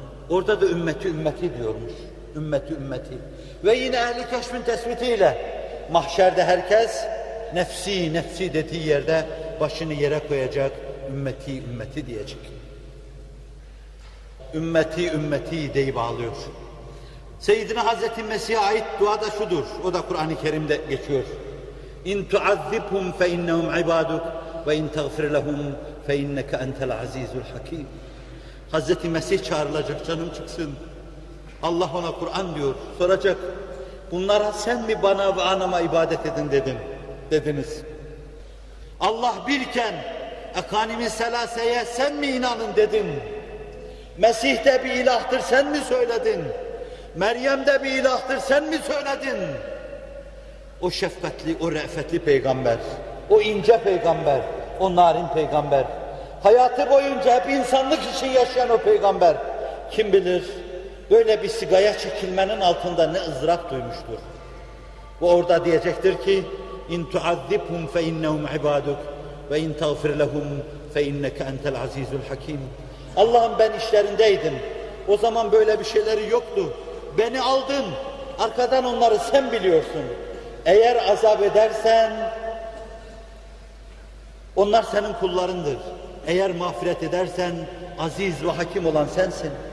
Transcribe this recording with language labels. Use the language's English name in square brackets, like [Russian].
[Turkish] Orada da ümmeti ümmeti diyormuş. Ümmeti ümmeti. Ve yine ehli keşfin tespitiyle mahşerde herkes nefsi nefsi dediği yerde başını yere koyacak, ümmeti ümmeti diyecek. Ümmeti ümmeti deyip ağlıyor. Seyyidine Hazreti Mesih'e ait dua da şudur. O da Kur'an-ı Kerim'de geçiyor. [Arabic] اِنْ تُعَذِّبْهُمْ فَاِنَّهُمْ عِبَادُكْ وَاِنْ تَغْفِرْ لَهُمْ فَاِنَّكَ اَنْتَ الْعَز۪يزُ الْحَك۪يمِ [Turkish] Hazreti Mesih çağrılacak, canım çıksın. Allah ona Kur'an diyor, soracak. Bunlara sen mi bana ve anama ibadet edin dedin, dediniz. Allah birken ekanimi selaseye sen mi inanın dedin. Mesih de bir ilahtır sen mi söyledin. Meryem de bir ilahtır sen mi söyledin. O şefkatli, o re'fetli peygamber, o ince peygamber, o narin peygamber. Hayatı boyunca hep insanlık için yaşayan o peygamber. Kim bilir? Böyle bir sigaya çekilmenin altında ne ızdırap duymuştur. Bu orada diyecektir ki [Arabic] اِنْ تُعَذِّبْهُمْ فَاِنَّهُمْ عِبَادُكْ وَاِنْ تَغْفِرْ لَهُمْ فَاِنَّكَ اَنْتَ الْعَز۪يزُ الْحَك۪يمِ [Turkish] Allah'ım ben işlerindeydim. O zaman böyle bir şeyleri yoktu. Beni aldın. Arkadan onları sen biliyorsun. Eğer azap edersen onlar senin kullarındır. Eğer mağfiret edersen aziz ve hakim olan sensin.